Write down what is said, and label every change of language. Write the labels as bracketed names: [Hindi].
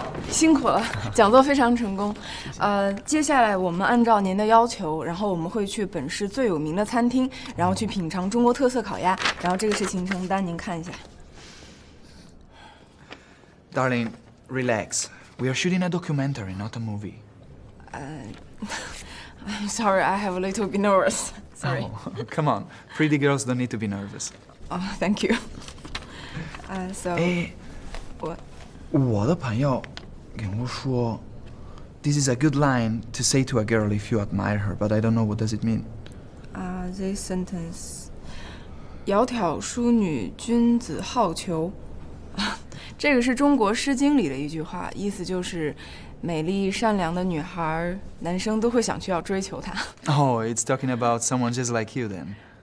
[Chinese] 辛苦了，讲座非常成功。接下来我们按照您的要求，然后我们会去本市最有名的餐厅，然后去品尝中国特色烤鸭。然后这个是行程单，您看一下。 [English] Darling, relax. We are shooting a documentary, not a movie. I'm sorry. I have a little bit nervous. Sorry. Oh, come on. Pretty girls don't need to be nervous. Oh, thank you. What? [Chinese] 我的朋友跟我说 [English] ，This is a good line to say to a girl if you admire her, but I don't know what does it mean. This sentence. [Chinese] 窈窕淑女，君子好逑。这个是中国诗经里的一句话，意思就是美丽善良的女孩，男生都会想去要追求她。 [English] Oh, it's talking about someone just like you then.